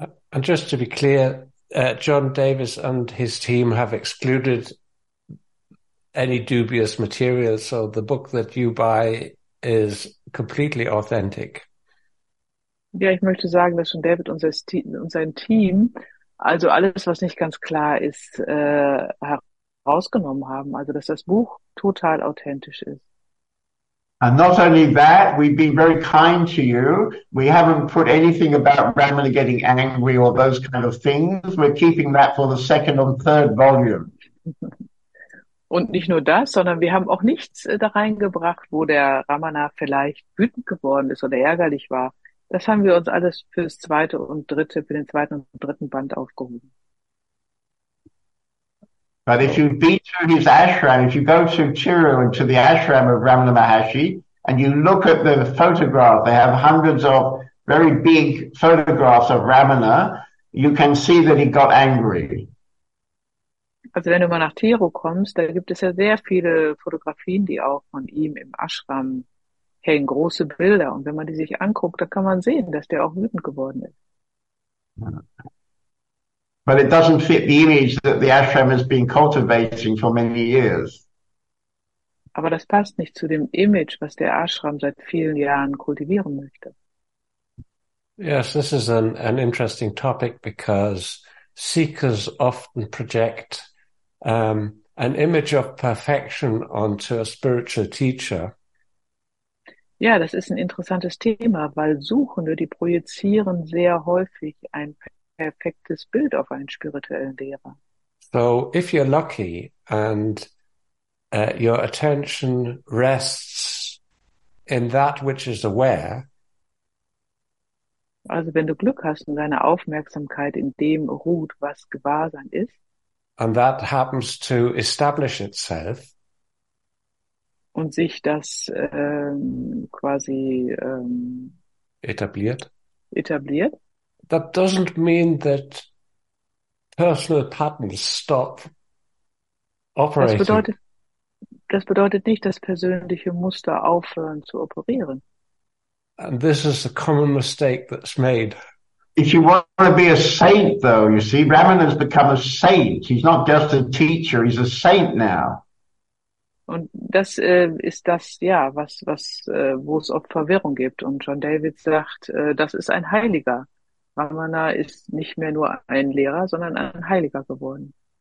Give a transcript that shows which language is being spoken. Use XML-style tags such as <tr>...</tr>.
<en>And just to be clear, John Davis and his team have excluded any dubious material, so the book that you buy is completely authentic.</en> <de>Ja, ich möchte sagen, dass John David und sein Team also alles, was nicht ganz klar ist, herausgenommen haben, also dass das Buch total authentisch ist.</de> <en>And not only that, we've been very kind to you. We haven't put anything about Ramana getting angry or those kind of things. We're keeping that for the second and third volume.</en> <de>Und nicht nur das, sondern wir haben auch nichts da reingebracht, wo der Ramana vielleicht wütend geworden ist oder ärgerlich war. Das haben wir uns alles fürs zweite und dritte, für den zweiten und dritten Band aufgehoben.</de> <en>But if you be to his ashram, if you go to Chiru and to the ashram of Ramana Maharshi, and you look at the photograph, they have hundreds of very big photographs of Ramana, you can see that he got angry.</en> <de>Also wenn du mal nach Chiru kommst, da gibt es ja sehr viele Fotografien, die auch von ihm im Ashram hängen, große Bilder. Und wenn man die sich anguckt, da kann man sehen, dass der auch wütend geworden ist.</de> <en>But it doesn't fit the image that the ashram has been cultivating for many years.</en> <de>Aber das passt nicht zu dem Image, was der Ashram seit vielen Jahren kultivieren möchte.</de> <en>Yes, this is an interesting topic because seekers often project an image of perfection onto a spiritual teacher.</en> <de>Ja, das ist ein interessantes Thema, weil Suchende, die projizieren sehr häufig ein perfektes Bild auf einen spirituellen Lehrer.</de> <en>So, if you're lucky and your attention rests in that which is aware.</en> <de>Also, wenn du Glück hast und deine Aufmerksamkeit in dem ruht, was Gewahrsein ist.</de> <en>And that happens to establish itself.</en> <de>Und sich das quasi etabliert.</de> <en>That doesn't mean that personal patterns stop operating.</en> <de>Das bedeutet nicht, dass persönliche Muster aufhören zu operieren.</de> <en>And this is a common mistake that's made. If you want to be a saint, though, you see, Ramana has become a saint. He's not just a teacher, he's a saint now.</en> <de>Und das ist das, ja, was wo es oft Verwirrung gibt. Und John David sagt, das ist ein Heiliger. Ramana ist nicht mehr nur ein Lehrer, sondern ein Heiliger geworden.</de>